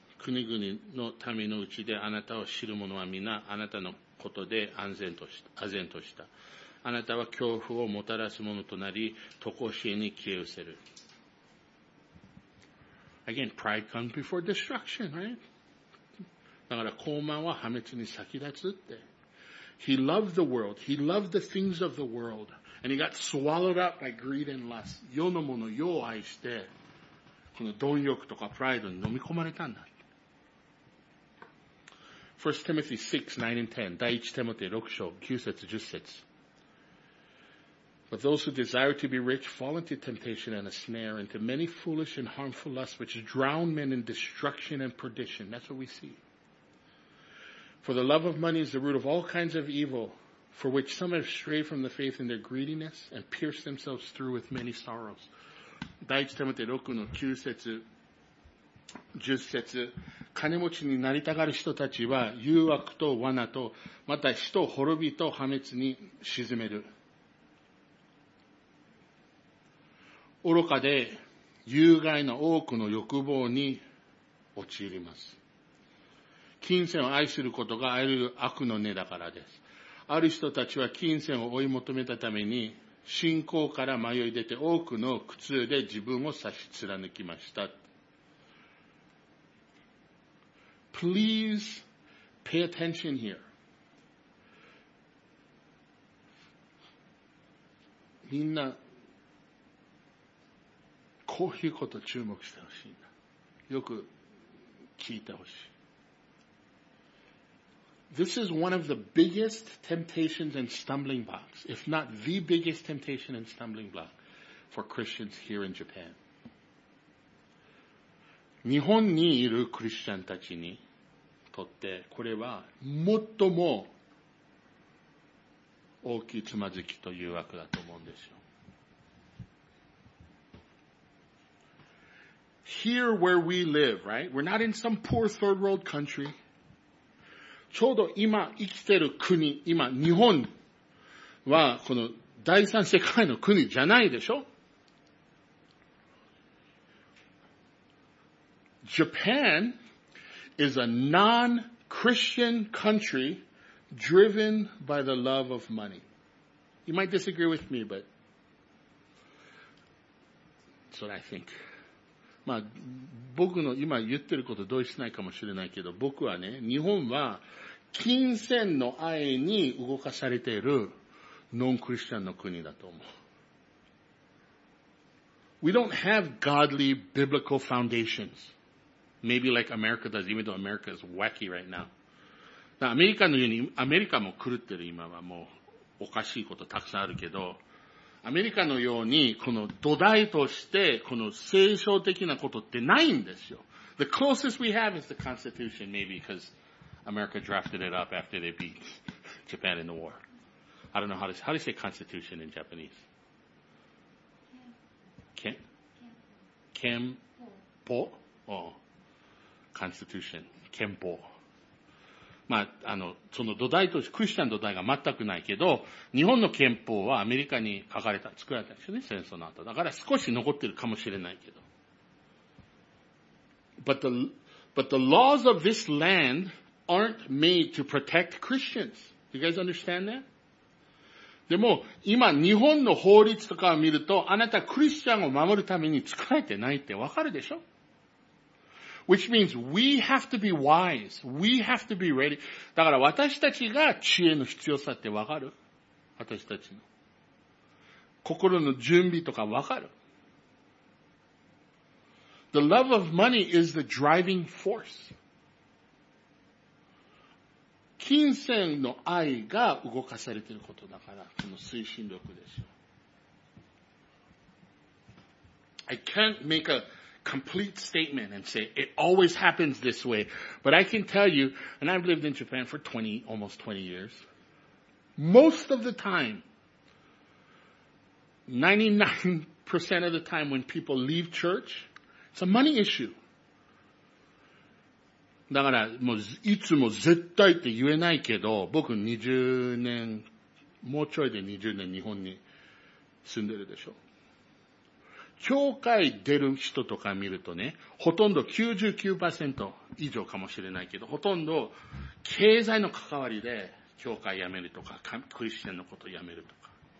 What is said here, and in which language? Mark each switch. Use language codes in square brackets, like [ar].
[ja] 国々の民のうちであなたを知る者は皆あなたのことで安全とした。あなたは恐怖をもたらすものとなり、常しえに消え失せる。 [en] Again, pride comes before destruction, right? [ja] だから高慢は破滅に先立つって。 [en] He loved the world. He loved the things of the world. And he got swallowed up by greed and lust. [ja] 世のもの、世を愛して、この貪欲とかプライドに飲み込まれたんだ。 [en] 1 Timothy 6, 9 and 10. [ja] 第1 Timothy 6章9節10節。 [en] But those who desire to be rich fall into temptation and a snare, into many foolish and harmful lusts, which drown men in destruction and perdition. That's what we see. For the love of money is the root of all kinds of evil, for which some have strayed from the faith in their greediness and pierced themselves through with many sorrows. [ja] 第1 Timothy 6の9節。 10節、金持ちになりたがる人たちは誘惑と罠と、また死と滅びと破滅に沈める。愚かで有害な多くの欲望に陥ります。金銭を愛することがある悪の根だからです。ある人たちは金銭を追い求めたために、信仰から迷い出て多くの苦痛で自分を差し貫きました。 [en] Please pay attention here. [ja] みんな、こういうこと注目してほしいんだ。よく聞いてほしい。 [en] This is one of the biggest temptations and stumbling blocks, if not the biggest temptation and stumbling block for Christians here in Japan. [ja] 日本にいるクリスチャンたちに、とってこれは最も大きいつまずきと誘惑だと思うんですよ。 [en] Here where we live, right? We're not in some poor third world country. [ja] ちょうど今生きてる国、今日本はこの第三世界の国じゃないでしょ。 [en] Japan. Is a non-Christian country driven by the love of money. You might disagree with me, but that's what I think. [ja] まあ、僕の今言ってること同意しないかもしれないけど、僕はね、日本は金銭の愛に動かされているノンクリスチャンの国だと思う。 [en] We don't have godly biblical foundations. Maybe like America does, even though America is wacky right now. [ja] アメリカのように、アメリカも狂ってる今はもうおかしいことたくさんあるけど、アメリカのようにこの土台としてこの聖書的なことってないんですよ。 [en] The closest we have is the Constitution, maybe, because America drafted it up after they beat Japan in the war. I don't know how to say Constitution in Japanese. Kempo? Oh.Constitution, 憲法。 [ja] まあ、その土台として、クリスチャンの土台が全くないけど、日本の憲法はアメリカに書かれた、作られたんですよね、戦争の後。だから少し残ってるかもしれないけど。 [en] But the laws of this land aren't made to protect Christians. You guys understand that? [ja] でも今日本の法律とかを見るとあなたクリスチャンを守るために使えてないってわかるでしょ [en] Which means we have to be wise. We have to be ready. [ja] だから私たちが知恵の必要さってわかる私たちの。心の準備とかわかる [en] ?The love of money is the driving force. [ja] 金銭の愛が動かされていることだから、この推進力ですよ。 [en] I can't make a complete statement and say it always happens this way, but I can tell you, and I've lived in Japan for 20, almost 20 years, most of the time, 99% of the time when people leave church, it's a money issue. [ja] だから、もう、いつも絶対って言えないけど、僕20年、もうちょいで20年日本に住んでるでしょ。教会出る人とか見るとね、ほとんど 99% 以上かもしれないけど、ほとんど経済の関わりで教会辞めるとか、クリスチャンのこと辞めるとか。